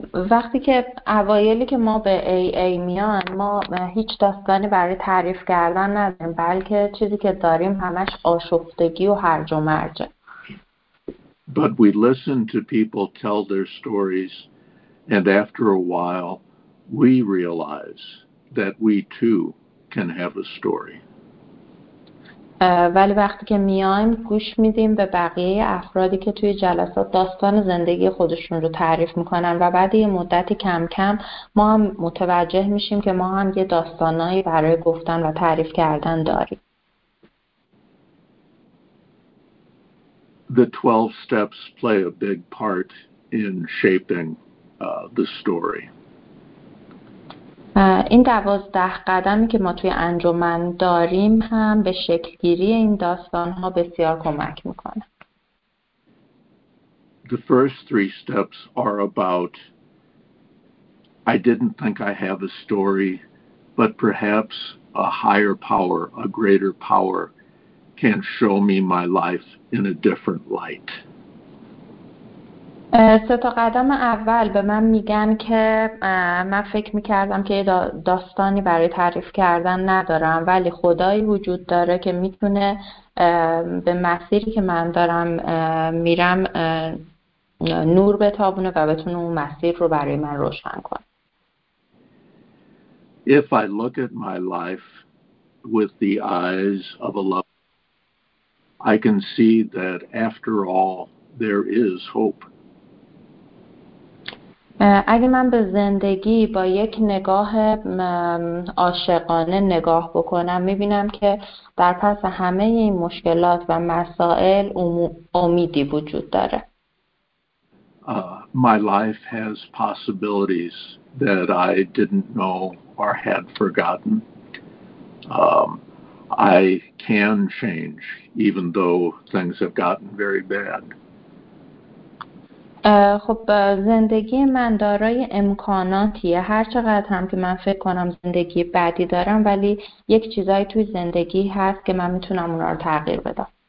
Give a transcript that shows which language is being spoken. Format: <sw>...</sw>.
<fa>وقتی که اوایلی که ما به AA میان ما هیچ داستانی برای تعریف کردن نداریم، بلکه چیزی که داریم همش آشفتگی و هرج و مرجه.</fa> <en>But we listen to people tell their stories and after a while we realize that we too can have a story.</en> <fa>ولی وقتی که میایم گوش میدیم به بقیه افرادی که توی جلسات داستان زندگی خودشون رو تعریف میکنن و بعد یه مدتی کم کم ما هم متوجه میشیم که ما هم یه داستانایی برای گفتن و تعریف کردن داریم.</fa> <en>The 12 steps play a big part in shaping the story.</en> <fa>این 12 قدمی که ما توی انجمن داریم هم به شکل‌گیری این داستان‌ها بسیار کمک می‌کنه.</fa> <en>The first 3 steps are about I didn't think I have a story, but perhaps a higher power, a greater power can show me my life in a different light.</en> <fa>سه تا قدم اول به من میگن که من فکر میکردم که داستانی برای تعریف کردن ندارم، ولی خدایی وجود داره که میتونه به مسیری که من دارم میرم نور بتابونه و بتونه اون مسیر رو برای من روشن کنه.</fa> <en>If I look at my life with the eyes of a loved one, I can see that after all there is hope.</en> <fa>اگه من به زندگی با یک نگاه عاشقانه نگاه بکنم میبینم که در پس همه این مشکلات و مسائل امیدی وجود داره.</fa> <en>My life has possibilities that I didn't know or had forgotten. I can change even though things have gotten very bad.</en> <fa>خب زندگی من دارای امکاناتیه، هرچقدر هم که من فکر کنم زندگی بعدی دارم، ولی یک چیزایی توی زندگی هست که من میتونم اونا رو تغییر بدم.</fa>